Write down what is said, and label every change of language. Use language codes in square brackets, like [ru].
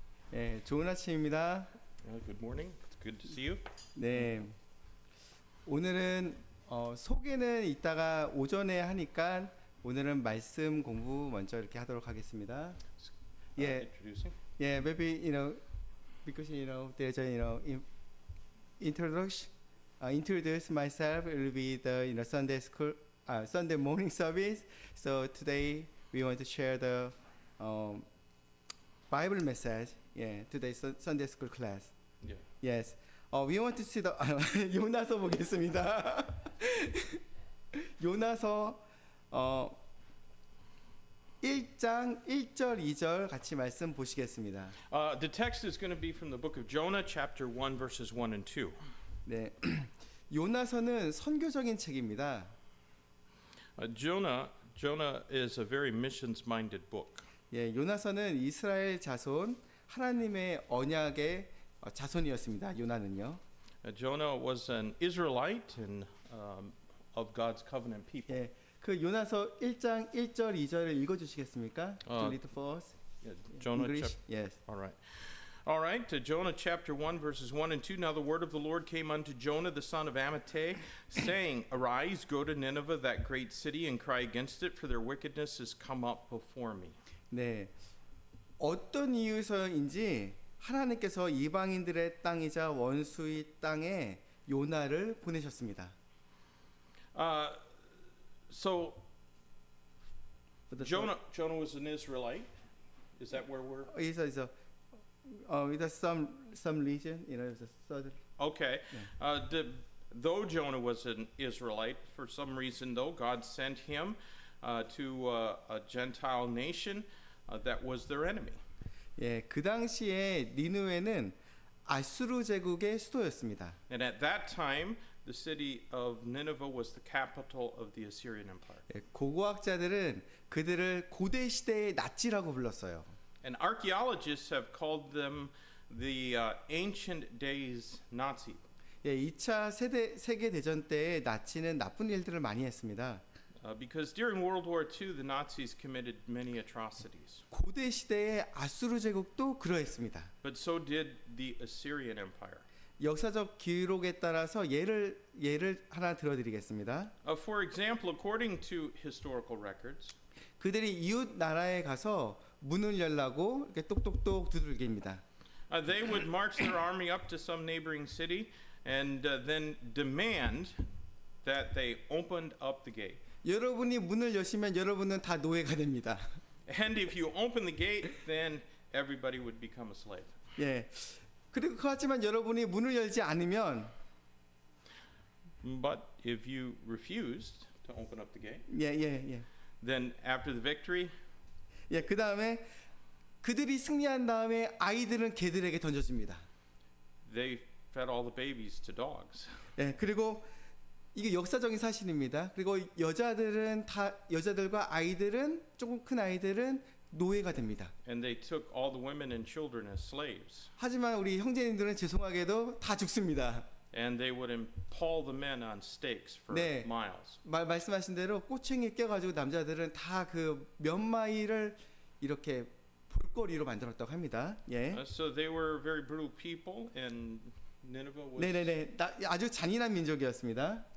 [ko] 네, 좋은 아침입니다. [en] Good morning. It's good to see you. [ko] 네, 오늘은 소개는 이따가 오전에 하니까 오늘은 말씀 공부 먼저 이렇게 하도록 하겠습니다. [en] 예, introducing. Yeah, maybe you know. Because you know, there's a you know, introduce myself. It will be the you know Sunday school, Sunday morning service. So today we want to share the Bible message. Yeah, today's Sunday school class. Yeah. Yes. We want to see the [ko] 요나서 보겠습니다. 요나서 1장 1절 2절 같이 말씀 보시겠습니다. [en] The text is going to be from the book of Jonah chapter 1 verses 1 and 2. [ko] 네. 요나서는 선교적인 책입니다. [en] Jonah is a very missions minded book. [ko] 예, 요나서는 이스라엘 자손 하나님의 언약의 자손이었습니다. 요나는요. [en] Jonah was an Israelite and of God's covenant people. [ko] 예. 그 요나서 1장 1절 2절을 읽어 주시겠습니까? [en] Read for us. Yes. All right. Jonah chapter 1 verses 1 and 2. Now the word of the Lord came unto Jonah the son of Amittai, saying, Arise, go to Nineveh, that great city, and cry against it, for their wickedness has come up before me. [ko] 네. 어떤 이유서인지 하나님께서 이방인들의 땅이자 원수의 땅에 요나를 보내셨습니다. [en] So, Jonah was an Israelite. Is that where we're? It's some region. You know, it's a southern. Okay. Yeah. Though Jonah was an Israelite, for some reason, though God sent him to a Gentile nation that was their enemy. [ko] 예, 그 당시에 니느웨는 아수르 제국의 수도였습니다. [en] And at that time. The city of Nineveh was the capital of the Assyrian Empire. [ko] 고고학자들은 그들을 고대 시대의 나치라고 불렀어요. [en] And archaeologists have called them the ancient days Nazi. [ko] 예, 2차 세계 대전 때 나치는 나쁜 일들을 많이 했습니다. [en] Because during World War II, the Nazis committed many atrocities. [ko] 고대 시대의 아수르 제국도 그러했습니다. [en] But so did the Assyrian Empire. [ko] 역사적 기록에 따라서 예를 하나 들어드리겠습니다. [en] For example, according to historical records, [ko] 그들이 이웃 나라에 가서 문을 열라고 이렇게 똑똑똑 두들깁니다. [en] They would march their army up to some neighboring city and then demand that they opened up the gate. [ko] 여러분이 문을 여시면 여러분은 다 노예가 됩니다. [en] And if you open the gate, then everybody would become a slave. [ko] 예. 그리고 하지만 여러분이 문을 열지 않으면 [en] But if you refused to open up the gate. Yeah, yeah, yeah. Then after the victory. [ko] 예, 그다음에 그들이 승리한 다음에 아이들은 개들에게 던져집니다. [en] They fed all the babies to dogs. [ko] 예, 그리고 이게 역사적인 사실입니다. 그리고 여자들은 다 여자들과 아이들은 조금 큰 아이들은 노예가 됩니다. [en] And they took all the women and children as slaves. [ko] 하지만 우리 형제님들은 죄송하게도 다 죽습니다. [en] And they would impale the men on stakes for [ko] 네, [en] miles. [ko] 말씀하신 대로 꼬챙이 껴가지고 남자들은 다 그 몇 마일을 이렇게 볼거리로 만들었다고 합니다. 예. [en] So they were very brutal people, and Nineveh was. [ko] 네네네, 아주 잔인한 민족이었습니다.